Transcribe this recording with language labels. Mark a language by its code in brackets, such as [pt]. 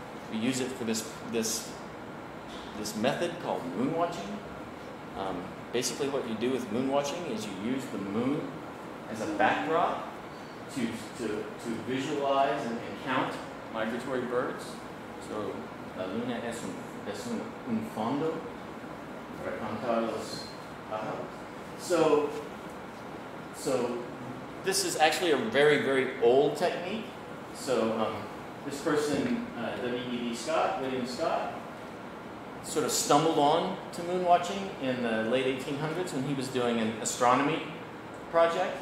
[en] We use it for this method called moon watching. Basically, what you do with moon watching is you use the moon as a backdrop to visualize and count migratory birds. [es] So la luna es un fondo para contar los pájaros. [en] So this is actually a very, very old technique. So this person, William Scott, sort of stumbled on to moon watching in the late 1800s when he was doing an astronomy project.